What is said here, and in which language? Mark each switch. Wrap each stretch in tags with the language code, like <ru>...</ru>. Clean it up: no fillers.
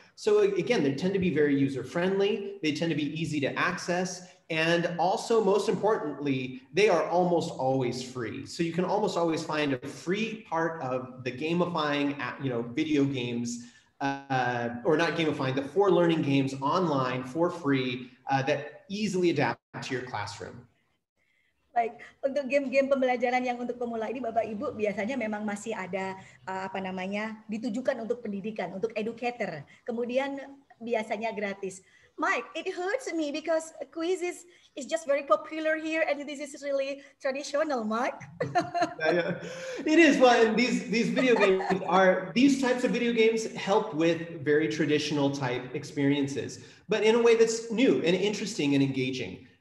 <en>So again, they tend to be very user-friendly, they tend to be easy to access, and also most importantly, they are almost always free. So you can almost always find a free part of the gamifying, you know, video games, or not gamifying, the four learning games online for free that easily adapt to your classroom.</en> <id>Baik, untuk game-game pembelajaran yang untuk pemula ini, Bapak Ibu, biasanya memang masih ada ditujukan untuk pendidikan, untuk educator. Kemudian biasanya gratis.</id> <en>Mike, it hurts me because quiz is just very popular here and this is really traditional, Mike. It is, well, and these video games these types of video games help with very traditional type experiences, but in a way that's new and interesting and engaging.</en>